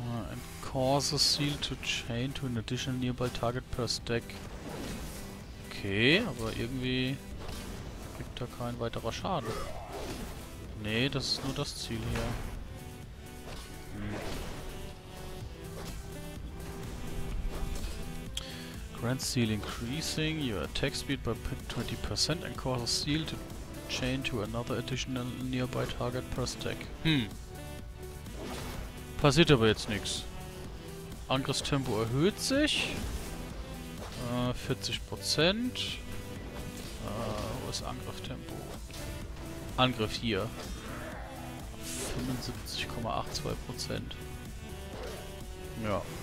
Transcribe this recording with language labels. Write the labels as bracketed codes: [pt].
[en] And cause a seal to chain to an additional nearby target per stack. [de] Okay, aber irgendwie gibt da kein weiterer Schaden. Nee, das ist nur das Ziel hier. [en] Grand Seal increasing your attack speed by 20% and cause a seal to chain to another additional nearby target per stack. [de] Passiert aber jetzt nichts. Angriffstempo erhöht sich. 40%. Wo ist Angrifftempo? Angriff hier. 75,82%. Ja.